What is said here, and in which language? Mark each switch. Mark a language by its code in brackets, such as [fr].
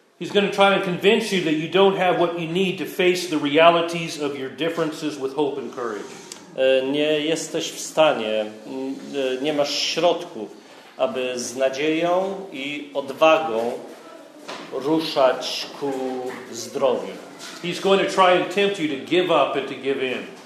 [en] He's going to try and convince you that you don't have what you need to face the realities of your differences with hope and courage. [pl] Nie jesteś w stanie, nie masz środków, aby z nadzieją i odwagą ruszać ku zdrowiu. [en] He's going to try and tempt you to give up and to give in.